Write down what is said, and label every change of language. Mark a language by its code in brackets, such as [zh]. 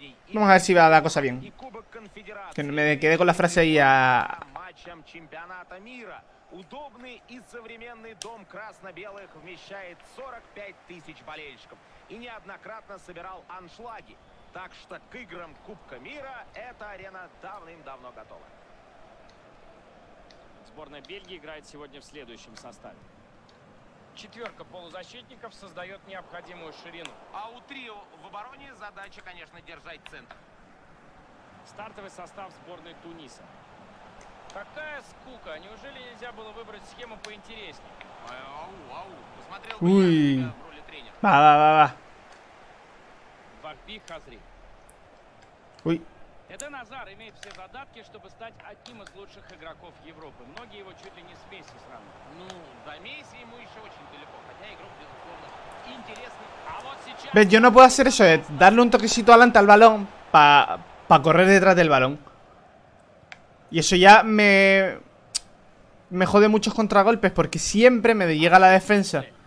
[es] Vamos a ver si va la cosa bien. Que me quedé con la frase ahí a... [ru] Чемпионата мира. Удобный и современный дом красно-белых вмещает 45 тысяч болельщиков и неоднократно собирал аншлаги. Так что к играм Кубка мира эта арена давным-давно готова. Сборная Бельгии играет сегодня в следующем составе. Четверка полузащитников создает необходимую ширину. А у трио в обороне задача, конечно, держать центр. Стартовый состав сборной Туниса. Какая скука! Неужели нельзя было выбрать схему поинтереснее? Ау-ау! Посмотрел бы я на тебя в роли тренера. Ба-ба-ба-ба! Вахби Хазри. Уй! Эден Азар имеет все задатки, чтобы стать одним из лучших игроков Европы. Многие его чуть ли не с Месси сравнивают. Ну, до Месси ему еще очень далеко, хотя игрок, безусловно, интересный. А вот сейчас... Ведь я не могу сделать это, дать [es] un toquecito adelante al balón para correr detrás del balón. Y eso ya me jode muchos contragolpes porque siempre me llega la defensa.